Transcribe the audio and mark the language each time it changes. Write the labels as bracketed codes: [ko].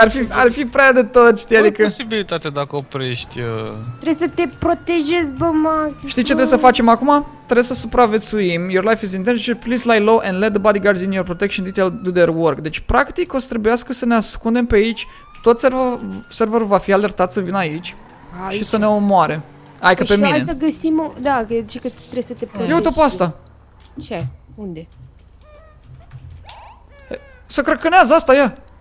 [ro] Ar fi prea de tot, știi, adică... O posibilitate dacă oprești... Trebuie să te protejezi, bă, Max. Știi ce trebuie să facem acum? Trebuie să supraviețuim. [en] Your life is in danger, please lie low and let the bodyguards in your protection detail do their work. [ro] Deci, practic, o să trebuiască să ne ascundem pe aici. Tot serverul va fi alertat să vină aici. Hai și ce? Să ne omoare. Hai că pe mine. Hai să găsim o... Da, că zice că trebuie să te protejezi. Eu uite-o pe asta. Ce? Unde? Să crăcânează asta, ia!